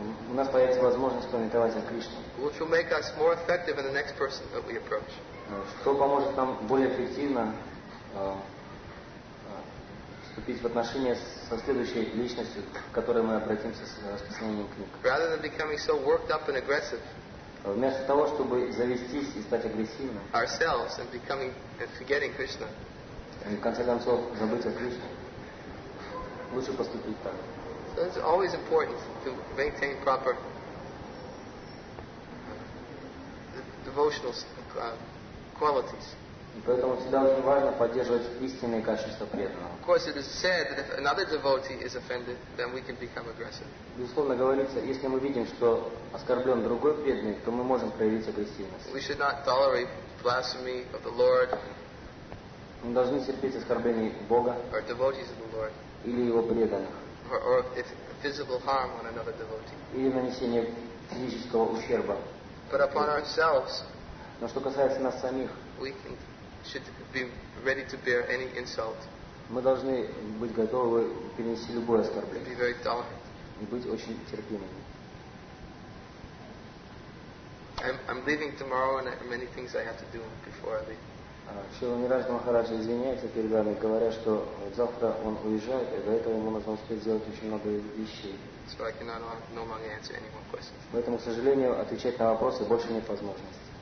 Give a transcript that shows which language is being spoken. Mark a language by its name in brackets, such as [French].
[Russian] У нас появится возможность памятовать о Кришне. [English] Which will make us more effective in the next person that we approach. [Russian] Что поможет нам более эффективно вступить в отношения со следующей личностью, к которой мы обратимся с распространением книг. [English] Rather than becoming so worked up and aggressive. [Russian] Вместо того, чтобы завестись и стать агрессивным. [English] Ourselves and becoming and forgetting Krishna. [Russian] И в конце концов забыть о Кришне. Лучше поступить так. [English] So it's always important to maintain proper devotional qualities. [Russian] Поэтому всегда очень важно поддерживать истинные качества преданного. [English] Of course, it is said that if another devotee is offended, then we can become aggressive. [Russian] Безусловно говорится, если мы видим, что оскорблен другой преданный, то мы можем проявить агрессивность. [English] We should not tolerate blasphemy of the Lord. [Russian] Мы должны терпеть оскорбления Бога. [English] Or devotees of the Lord. [Russian] Или его преданных. [English] Or if physical harm on another devotee. [Russian] Или нанесение физического ущерба. [English] But upon ourselves. [Russian] Но что касается нас самих. [English] We can, should be ready to bear any insult. [Russian] Мы должны быть готовы перенести любое оскорбление. [English] Be very tolerant. [Russian] И быть очень терпимыми. [English] I'm leaving tomorrow, and I have many things I have to do before I leave. [Russian] Шрила Нирадж Махарадж извиняется перед вами, говоря, что завтра он уезжает, и до этого ему нужно успеть сделать очень много вещей. [English] So I cannot no longer answer any more questions. [Russian] Поэтому, к сожалению, отвечать на вопросы больше нет возможности.